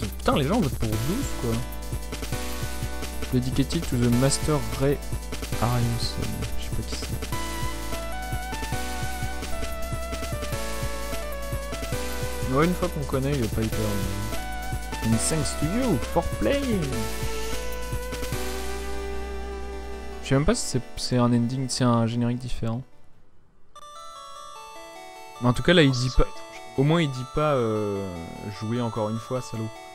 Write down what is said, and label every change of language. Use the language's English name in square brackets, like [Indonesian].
[French] Putain, les gens votent pour 12, quoi. [English] Dedicated to the Master Ray Ariuson. [French] Je sais pas qui c'est. Ouais, une fois qu'on connaît, il est pas hyper. [English] And thanks to you for playing. [French] Je sais même pas si c'est un ending, c'est un générique différent. Mais en tout cas, là, il dit pas. Au moins, il dit pas jouer encore une fois, salaud.